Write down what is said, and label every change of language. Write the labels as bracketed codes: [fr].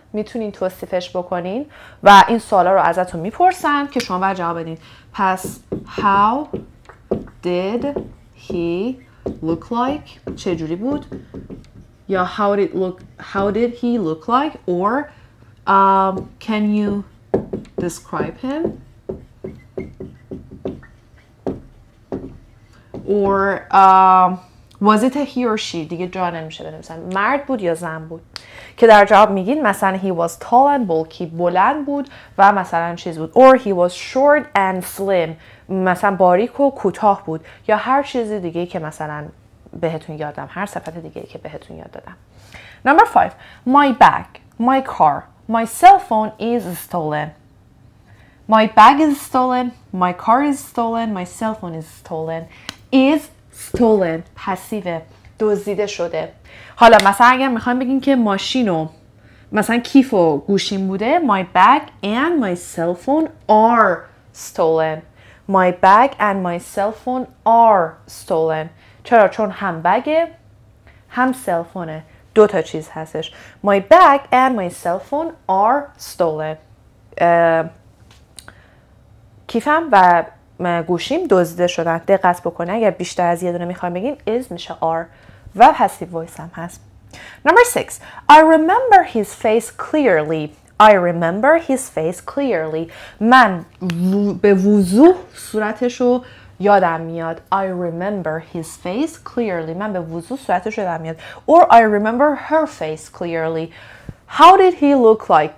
[fa] میتونین توصیفش بکنین و این سوالا رو ازتون میپرسن که شما باید جواب بدین. [en] پس how did he look like? [fa] چه جوری بود؟ یا [en] how did he look like or can you describe him? Or was it a he or she? [fa] دیگه جا نمیشه بنویسن مرد بود یا زن بود که در جواب میگین مثلا [en] he was tall and bulky [fa] بلند بود و مثلا چیز بود [en] or he was short and slim [fa] مثلا باریک و کوتاه بود یا هر چیز دیگه که مثلا بهتون یادم هر صفت دیگه که بهتون یاد دادم. [en] Number 5 my bag my car my cell phone is stolen my bag is stolen my car is stolen my cell phone is stolen is stolen [fa] پسیوه دزدیده شده. حالا مثلا اگر میخوایم بگیم که ماشین و مثلا کیف و گوشیم بوده [en] my bag and my cell phone are stolen [fa] my bag and my cell phone are stolen چرا؟ چون هم بگه هم سلفونه دو تا چیز هستش my bag and my cell phone are stolen کیفم و گوشیم دزدیده شدن. دقت بکنه اگر بیشتر از یه دونه میخوایم بگیم is میشه are و passive voice هم هست. [en] Number 6 I remember his face clearly I remember his face clearly [fa] من به وضوح صورتشو یادم میاد [en] I remember his face clearly [fa] من به وضوح صورتش رو یادم میاد [en] or I remember her face clearly How did he look like?